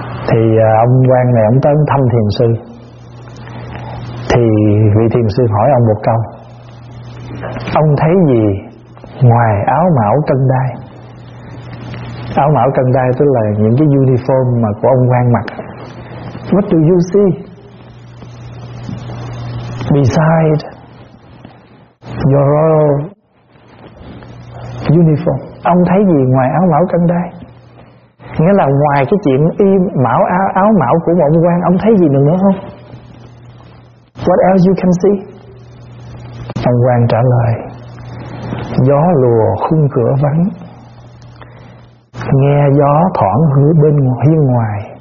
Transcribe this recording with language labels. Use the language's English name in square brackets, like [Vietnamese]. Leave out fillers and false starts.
[Vietnamese] Thì ông quan này ông tới thăm thiền sư. Thì vị thiền sư hỏi ông một câu: ông thấy gì ngoài áo mão cân đai? Áo mão cân đai tức là những cái uniform mà của ông quan mặc. [English] What do you see beside your royal uniform? [Vietnamese] Ông thấy gì ngoài áo mão cân đai? Nghĩa là ngoài cái chuyện y mão áo mão của ông quan, ông thấy gì được nữa không? [English] What else you can see? [Vietnamese] Ông quan trả lời: gió lùa khung cửa vắng, nghe gió thoảng hứa bên hiên ngoài,